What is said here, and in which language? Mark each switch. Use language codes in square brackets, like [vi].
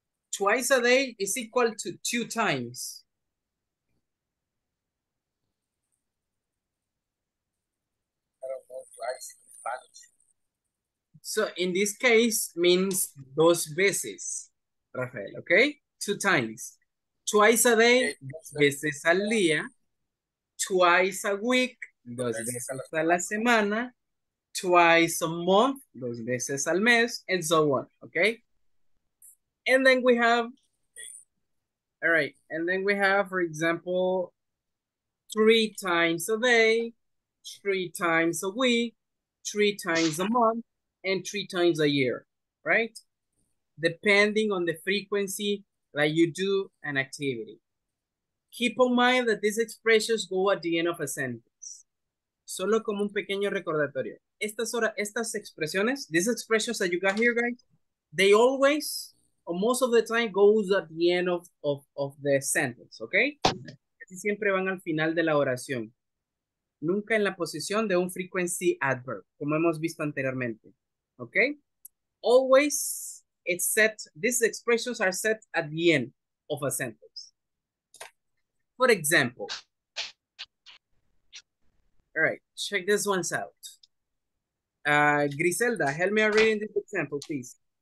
[en] Twice a day is equal to two times. So in this case means [es] dos veces, [en] Rafael, okay? Two times. Twice a day, [es] dos veces al día. [en] Twice a week, [es] dos veces a la semana. [en] Twice a month, [es] dos veces al mes, [en] and so on, okay? And then we have, all right, and then we have, for example, three times a day, three times a week, three times a month, and three times a year, right? Depending on the frequency that you do an activity. Keep in mind that these expressions go at the end of a sentence. [es] Solo como un pequeño recordatorio. Estas expresiones, [en] these expressions that you got here, guys, they always, or most of the time, goes at the end of the sentence, okay? [es] Casi siempre van al final de la oración. Nunca en la posición de un frequency adverb, como hemos visto anteriormente, okay? [en] Always, it's set, these expressions are set at the end of a sentence. For example, all right, check this one out. Griselda, help me read this example, please.